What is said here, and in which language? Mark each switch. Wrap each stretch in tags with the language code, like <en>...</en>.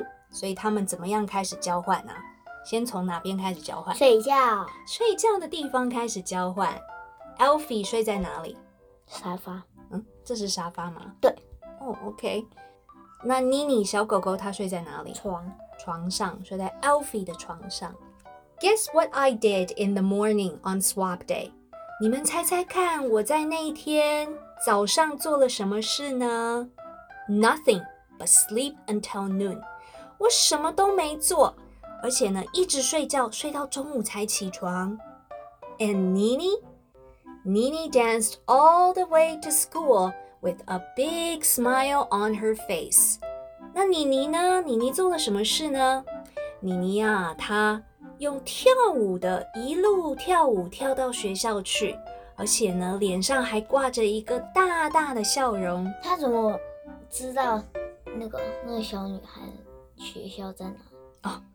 <zh>所以他们怎么样开始交换呢、先从哪边开始交换？睡觉。睡觉的地方开始交换。Elfie 睡在哪里？沙发。这是沙发吗？对。 OK。那妮妮小狗狗它睡在哪里？床。床上，睡在 Elfie 的床上。</zh> <en>Guess what I did in the morning on swap day？</en> <zh>你们猜猜看，我在那一天早上做了什么事呢？</zh> <en>Nothing but sleep until noon，</en> <zh>我什么都没做，而且呢一直睡觉，睡到中午才起床。</zh> <en>And Nini? Nini danced all the way to school with a big smile on her face。</en> <zh>那妮妮呢？妮妮做了什么事呢？妮妮啊，她用跳舞的一路跳舞跳到学校去，而且呢脸上还挂着一个大大的笑容。他怎么知道那个小女孩学校在哪里？</zh>